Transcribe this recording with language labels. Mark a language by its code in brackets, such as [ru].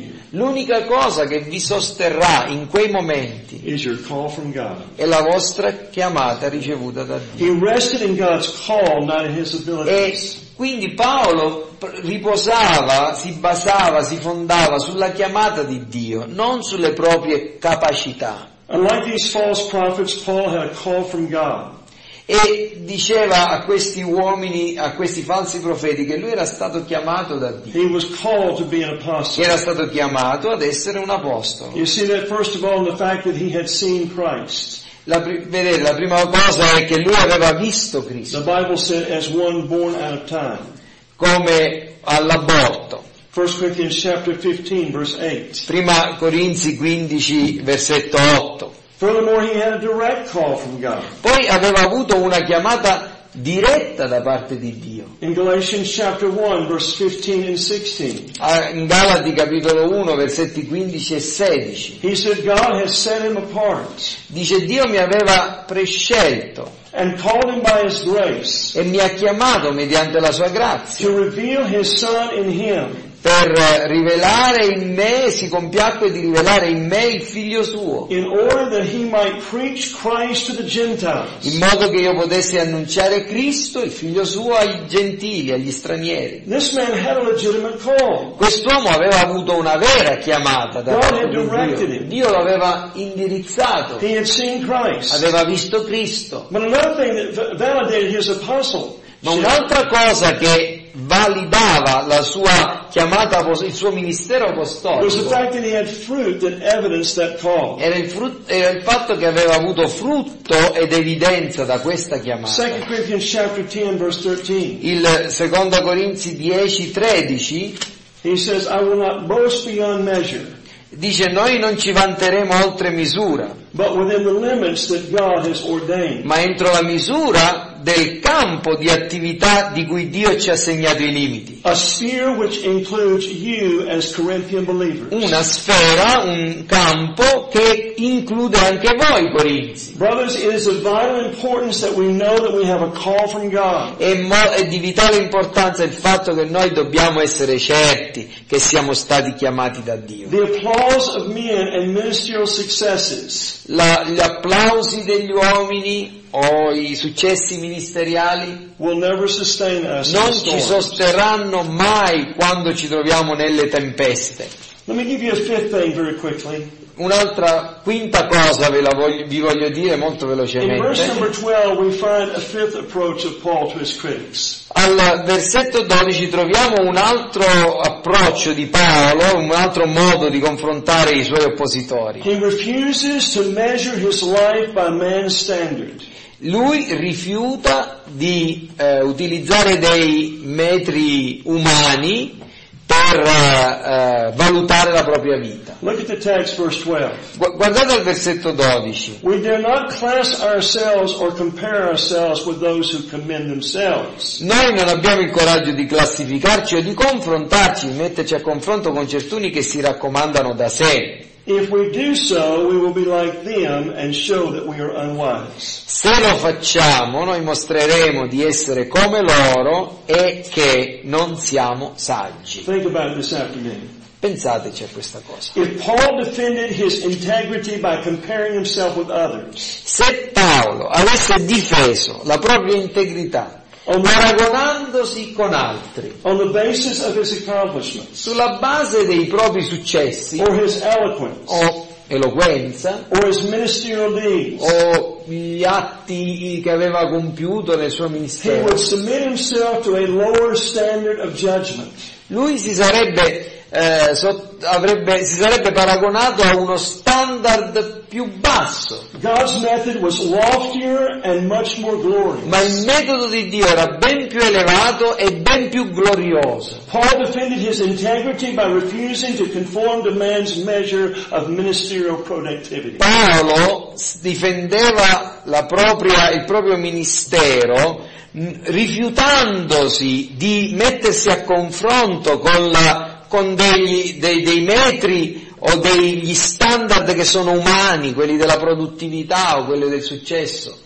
[it] L'unica cosa che vi sosterrà in quei momenti è la vostra chiamata ricevuta da Dio. [en] He rested in God's call, not in his abilities. [it] Quindi Paolo riposava, si basava, si fondava sulla chiamata di Dio, non sulle proprie capacità. [en] Unlike these false prophets, Paul had a call from God. [it] E diceva a questi uomini, a questi falsi profeti, che lui era stato chiamato da Dio. [en] He was called to be an apostle. [it] Era stato chiamato ad essere un apostolo. [en] You see that first of all in the fact that he had seen Christ. [it] La prima cosa è che lui aveva visto Cristo. [en] The Bible said, as one born out of time. [it] Come all'aborto. [en] 1 Corinthians chapter 15, verse 8. [it] Prima Corinzi 15, versetto 8. [en] Furthermore, he had a direct call from God. [it] Poi aveva avuto una chiamata diretta da parte di Dio. [en] In Galatians chapter 1, verse 15 and 16. [it] In Galati capitolo 1, versetti 15 e 16. [en] He said, God has set him apart. [it] Dice, Dio mi aveva prescelto. [en] And called him by his grace. [it] E mi ha chiamato mediante la sua grazia. [en] To reveal his son in him. [it] Per rivelare in me, si compiacque di rivelare in me il figlio suo. [en] In order that he might preach Christ to the Gentiles. [it] In modo che io potessi annunciare Cristo, il figlio suo, ai gentili, agli stranieri. [en] This man had a legitimate call. [it] Quest'uomo aveva avuto una vera chiamata da [en] God [it] Dio. Dio lo aveva indirizzato. [en] He had seen Christ. [it] Aveva visto Cristo. [en] But another thing that validated his apostle. [it] Ma un'altra cosa che validava la sua chiamata, il suo ministero apostolico, era il fatto che aveva avuto frutto ed evidenza da questa chiamata. [en] 2 Corinthians chapter 10, verse 13. [it] Il Seconda Corinzi 10, 13, [en] he says, I will not boast beyond measure. [it] Dice, noi non ci vanteremo oltre misura, [en] but within the limits that God has ordained. [it] Ma entro la misura del campo di attività di cui Dio ci ha segnato i limiti. [en] A sphere which includes you as Corinthian believers. [it] Una sfera, un campo che include anche voi, Corinzi. [en] Brothers, it is of vital importance that we know that we have a call from God. [it] È di vitale importanza il fatto che noi dobbiamo essere certi che siamo stati chiamati da Dio. [en] The applause of men and ministerial successes. [it] Gli applausi degli uomini o i successi ministeriali non ci sosterranno mai quando ci troviamo nelle tempeste. [en] Let me give you a fifth thing very quickly. [it] Un'altra quinta cosa vi voglio dire molto velocemente. [en] In verse 12 we find a fifth approach of Paul to his critics. [it] Al versetto 12 troviamo un altro approccio di Paolo, un altro modo di confrontare i suoi oppositori. [en] He refuses to measure his life by man's standard. [it] Lui rifiuta di utilizzare dei metri umani per valutare la propria vita. [en] Look at the text, verse 12. [it] Guardate al versetto 12. [en] We dare not class ourselves or compare ourselves with those who commend themselves. [it] Noi non abbiamo il coraggio di classificarci o di confrontarci, metterci a confronto con certuni che si raccomandano da sé. [en] If we do so, we will be like them and show that we are unwise. [it] Se lo facciamo, noi mostreremo di essere come loro e che non siamo saggi. [en] Think about it this afternoon. [it] Pensateci a questa cosa. [en] If Paul defended his integrity by comparing himself with others. [it] Se Paolo avesse difeso la propria integrità paragonandosi con altri, [en] on the basis of his accomplishments, [it] sulla base dei propri successi, [en] or his eloquence, [it] o eloquenza, [en] or his ministerial deeds, [it] o gli atti che aveva compiuto nel suo ministero, [en] he would submit himself to a lower standard of judgment. [it] Lui si sarebbe si sarebbe paragonato a uno standard più basso. [en] God's method was loftier and much more glorious. [it] Ma il metodo di Dio era ben più elevato e ben più glorioso. [en] Paul defended his integrity by refusing to conform to man's measure of ministerial productivity. [it] Paolo difendeva il proprio ministero rifiutandosi di mettersi a confronto con dei metri o degli standard che sono umani, quelli della produttività o quelli del successo.